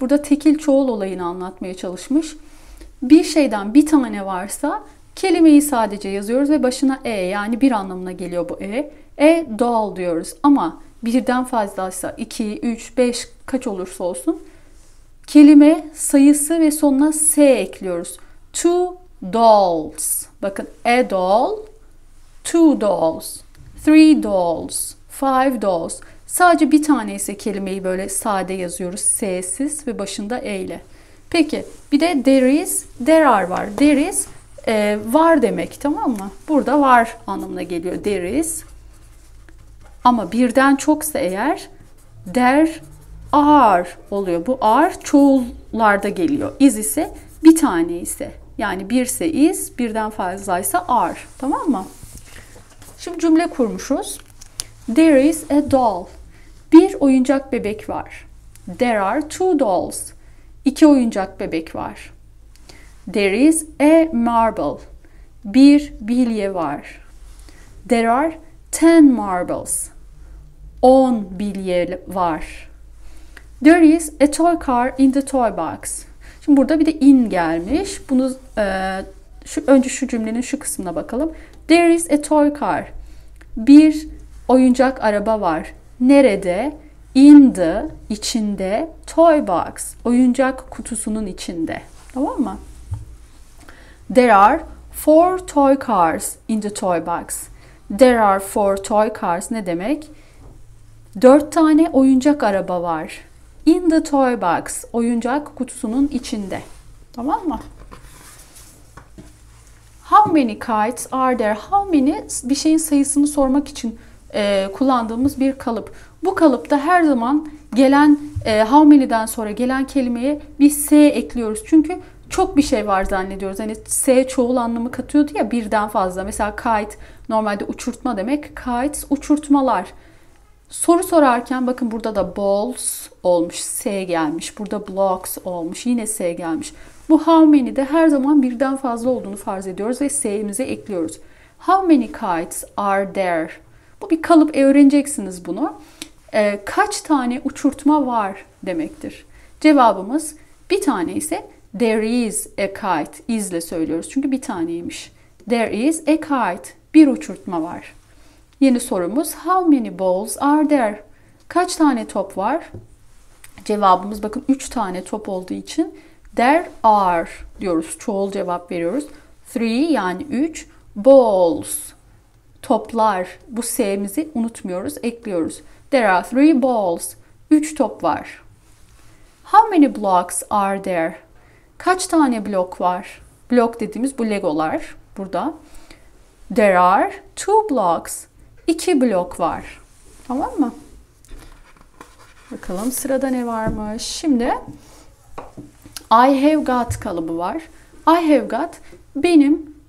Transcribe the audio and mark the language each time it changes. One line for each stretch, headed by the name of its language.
Turkish: Burada tekil çoğul olayını anlatmaya çalışmış. Bir şeyden bir tane varsa kelimeyi sadece yazıyoruz ve başına e, yani bir anlamına geliyor bu e.
English: A doll
Turkish: diyoruz ama birden fazlaysa, 2, 3, 5 kaç olursa olsun, kelime sayısı ve sonuna s ekliyoruz.
English: Two dolls. Bakın, a doll, two dolls, three dolls, five dolls.
Turkish: Sadece bir tane ise kelimeyi böyle sade yazıyoruz. S'siz ve başında E ile. Peki bir de there is, there are var. There is var demek, tamam mı? Burada var anlamına geliyor there is. Ama birden çoksa eğer there are oluyor. Bu are çoğullarda geliyor. Is ise bir tane ise. Yani birse is, birden fazlaysa are. Tamam mı? Şimdi cümle kurmuşuz.
English: There is a doll.
Turkish: Bir oyuncak bebek var.
English: There are two dolls.
Turkish: İki oyuncak bebek var.
English: There is a marble.
Turkish: Bir bilye var.
English: There are ten marbles.
Turkish: On bilye var.
English: There is a toy car in the toy box.
Turkish: Şimdi burada bir de in gelmiş. Bunu önce şu cümlenin şu kısmına bakalım.
English: There is a toy car.
Turkish: Bir oyuncak araba var. Nerede? In the, içinde, toy box, oyuncak kutusunun içinde. Tamam mı?
English: There are four toy cars in the toy box. There are four toy cars
Turkish: ne demek? Dört tane oyuncak araba var.
English: In the toy box,
Turkish: oyuncak kutusunun içinde. Tamam mı?
English: How many kites are there?
Turkish: How many, bir şeyin sayısını sormak için kullandığımız bir kalıp. Bu kalıpta her zaman gelen how many'den sonra gelen kelimeye bir s ekliyoruz. Çünkü çok bir şey var zannediyoruz. Hani s çoğul anlamı katıyordu ya, birden fazla. Mesela kite normalde uçurtma demek. Kites uçurtmalar. Soru sorarken bakın, burada da balls olmuş, s gelmiş. Burada blocks olmuş, yine s gelmiş. Bu how many de her zaman birden fazla olduğunu farz ediyoruz ve s'imizi ekliyoruz.
English: How many kites are there?
Turkish: Bu bir kalıp, öğreneceksiniz bunu. Kaç tane uçurtma var demektir. Cevabımız bir tane ise
English: there is a kite.
Turkish: Is ile söylüyoruz çünkü bir taneymiş.
English: There is a kite.
Turkish: Bir uçurtma var. Yeni sorumuz
English: how many balls are there?
Turkish: Kaç tane top var? Cevabımız, bakın, 3 tane top olduğu için there are diyoruz. Çoğul cevap veriyoruz. 3 yani 3 balls. Toplar. Bu s'imizi unutmuyoruz, ekliyoruz.
English: There are three balls.
Turkish: 3 top var.
English: How many blocks are there?
Turkish: Kaç tane blok var? Blok dediğimiz bu legolar burada.
English: There are two blocks.
Turkish: 2 blok var. Tamam mı? Bakalım sırada ne varmış. Şimdi I have got kalıbı var. I have got, benim